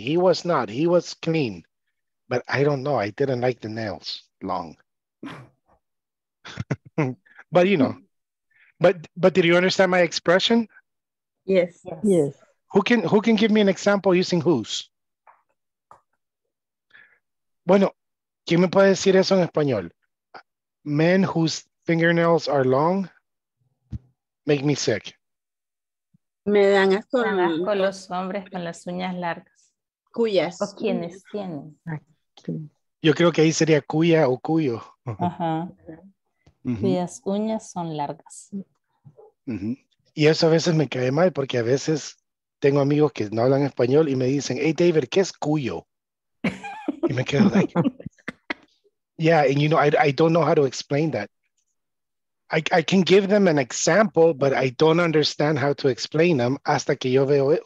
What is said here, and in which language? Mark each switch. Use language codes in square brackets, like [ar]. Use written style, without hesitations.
[en] He was not. He was clean. But I don't know. I didn't like the nails long. But, you know. But did you understand my expression? Yes. Yes. Who can give me an example using whose? [es] Bueno, ¿quién me puede decir eso en español? [en] Men whose fingernails are long make me sick. [es] Me dan asco los hombres con las uñas largas. Cuyas. O quienes tienen. Yo creo que ahí sería cuya o cuyo. Ajá. Cuyas uñas son largas. Uh-huh. Y eso a veces me cae mal porque a veces tengo amigos que no hablan español y me dicen, hey David, ¿qué es cuyo? Y me quedo [en] like, yeah, and you know, I don't know how to explain that. I can give them an example, but I don't understand how to explain them [es] hasta que yo veo [en] it.